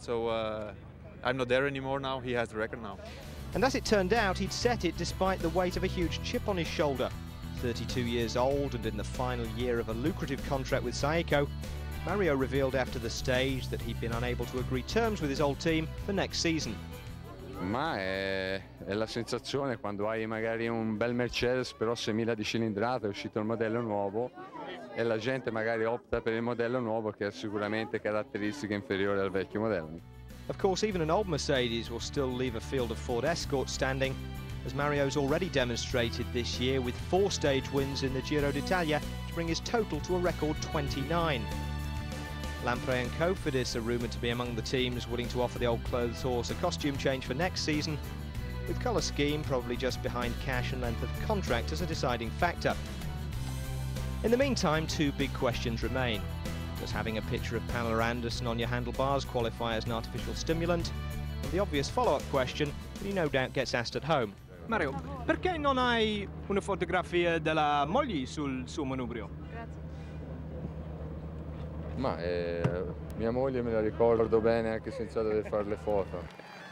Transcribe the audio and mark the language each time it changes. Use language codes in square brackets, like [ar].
[en] So I'm not there anymore now. He has the record now. And as it turned out, he'd set it despite the weight of a huge chip on his shoulder. 32 years old and in the final year of a lucrative contract with Saeco, Mario revealed after the stage that he'd been unable to agree terms with his old team for next season. [it] Ma è la sensazione quando hai magari un bel Mercedes però 6.000 di cilindrata, è uscito il modello nuovo e la gente magari opta per il modello nuovo che ha sicuramente caratteristiche inferiori al vecchio modello. [en] Of course, even an old Mercedes will still leave a field of Ford Escort standing, as Mario's already demonstrated this year with four stage wins in the Giro d'Italia to bring his total to a record 29. Lampre and Cofidis are rumoured to be among the teams willing to offer the old clothes horse a costume change for next season, with colour scheme probably just behind cash and length of contract as a deciding factor. In the meantime, two big questions remain. Does having a picture of Pamela Anderson on your handlebars qualify as an artificial stimulant? And the obvious follow-up question that he no doubt gets asked at home. [it] Mario, perché non hai una fotografia della moglie sul suo manubrio? Ma mia moglie me la ricordo bene anche senza dover fare le foto.